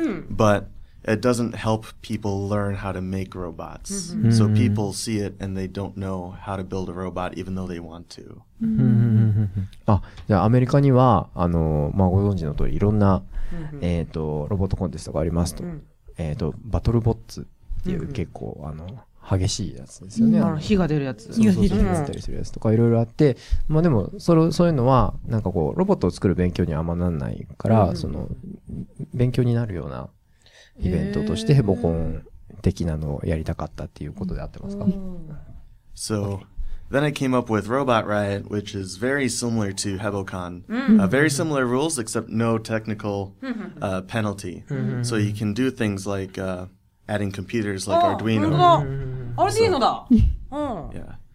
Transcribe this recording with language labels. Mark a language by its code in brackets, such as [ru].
[en] But it doesn't help people learn how to make robots. So people see it and they don't know how to build a robot even though they want to. [ja] あ、じゃあアメリカには、あの、まあ、ご存知の通り、いろんな、ロボットコンテストがありますと。バトルボッツっていう結構、あの、激しいやつですよね。あの火が出るやつ。そうそうそう。火が出たりするやつとかいろいろあって。まあでも、そういうのは、なんかこう、ロボットを作る勉強にはあんまなんないから、うん、その、勉強になるようなイベントとして、ヘボコン的なのをやりたかったっていうことであってますか、 [en] So, then I came up with Robot Riot, which is very similar to HeboCon. Very similar rules, except no technical, penalty. So you can do things like, adding computers like Arduino. [ja] Arduino だ! [en] Yeah.